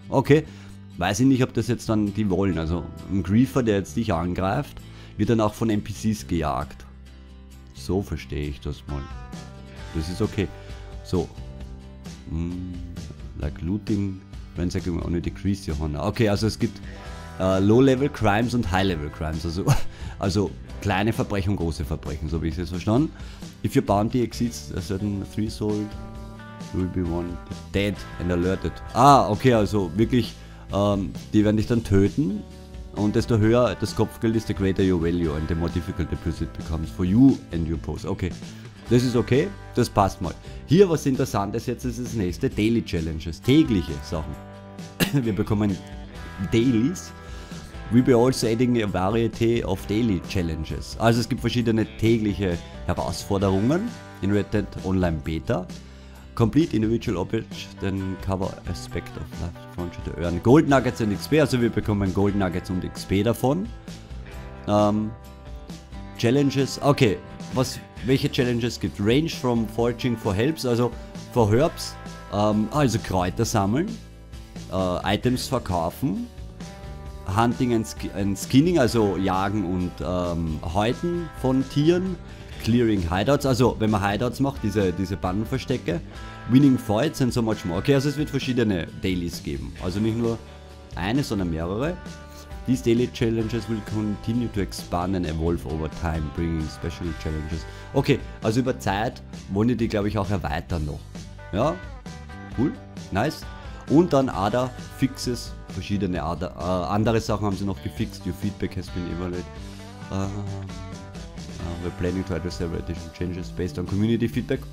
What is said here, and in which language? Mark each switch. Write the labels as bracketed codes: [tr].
[de] Okay, weiß ich nicht, ob das jetzt dann die wollen. Also ein Griefer, der jetzt dich angreift, wird dann auch von NPCs gejagt. So verstehe ich das mal. Das ist okay. So. [en] Like looting, ransacking only decrease your honor. [de] Okay, also es gibt Low-Level Crimes und High-Level Crimes. Also kleine Verbrechen, große Verbrechen, so habe ich es jetzt verstanden. [en] If your bounty exceeds a certain threshold, you will be wanted dead and alerted. [de] Ah, okay, also wirklich, die werden dich dann töten. Und desto höher das Kopfgeld ist, [en] the greater your value and the more difficult the pursuit becomes for you and your post. [de] Okay, das ist okay, das passt mal. Hier was Interessantes jetzt ist das nächste, Daily Challenges, tägliche Sachen. Wir bekommen Dailies. [en] We'll be also adding a variety of daily challenges. [de] Also es gibt verschiedene tägliche Herausforderungen in Red Dead Online Beta. [en] Complete individual objects, then cover aspect of life, function to earn gold nuggets and XP, [de] also wir bekommen gold nuggets und XP davon. Challenges, okay, welche Challenges gibt es? [en] Range from foraging for helps, also for herbs, [de] also Kräuter sammeln, Items verkaufen, [en] Hunting and Skinning, [de] also Jagen und Häuten von Tieren, [en] Clearing Hideouts, [de] also wenn man Hideouts macht, diese Bandenverstecke, [en] Winning Fights and so much more. [de] Okay, also es wird verschiedene Dailies geben, also nicht nur eine, sondern mehrere. [en] These Daily Challenges will continue to expand and evolve over time, bringing special challenges. [de] Okay, also über Zeit wollen die, glaube ich, auch erweitern noch. Ja, cool, nice. Und dann Other Fixes, verschiedene andere Sachen haben sie noch gefixt. [en] Your feedback has been evaluated. We're planning to address several additional changes based on community feedback.